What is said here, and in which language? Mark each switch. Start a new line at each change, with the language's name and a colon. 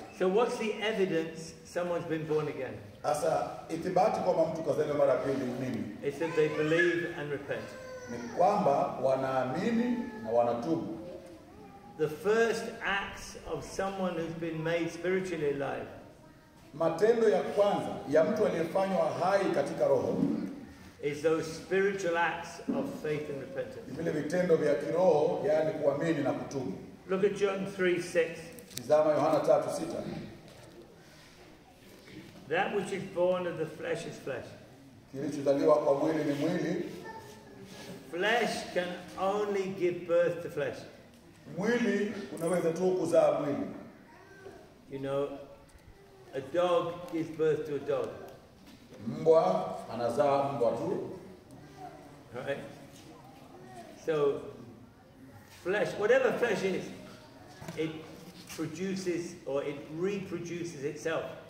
English: So what's the evidence someone's been born again?
Swahili: Asa, itibati kwa mtu kazaliwa mara pili nini?
English: It's that they believe and repent.
Swahili: Ni kwamba wanaamini na wanatubu.
English: The first acts of someone who's been made spiritually alive.
Swahili: Matendo ya kwanza ya mtu aliyefanywa hai katika roho
English: is those spiritual acts of faith and repentance.
Swahili: Vile vitendo vya kiroho, yani kuamini na kutubu.
English: Look at John 3:6.
Swahili: Tazama Yohana 3:6.
English: That which is born of the flesh is flesh.
Swahili: Kilichozaliwa kwa mwili ni mwili.
English: Flesh can only give birth to flesh.
Swahili: Mwili unaweza tu kuzaa mwili.
English: You know, a dog gives birth to a dog.
Swahili: Mbwa anazaa mbwa tu.
English: Right. So, flesh, whatever flesh is, it produces or it reproduces itself.